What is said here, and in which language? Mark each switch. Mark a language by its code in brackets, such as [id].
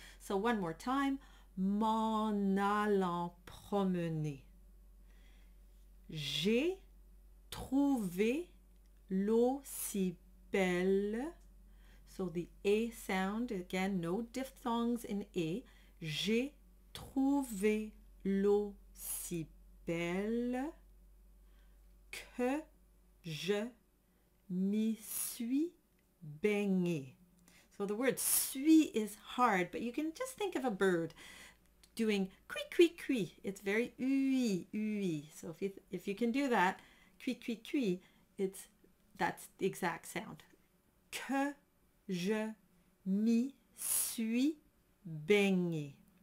[en] So one more time, [fr] m'en allant promener. J'ai trouvé l'eau si belle. [en] So the A sound, again, no diphthongs in A. [fr] J'ai trouvé l'eau si belle que je m'y suis baigné. [en] So the word suis is hard, but you can just think of a bird doing cuit, cuit, cuit. It's very ui, ui. So if you can do that, cuit, cuit, cuit, that's the exact sound. [fr] Que je m'y suis baigné.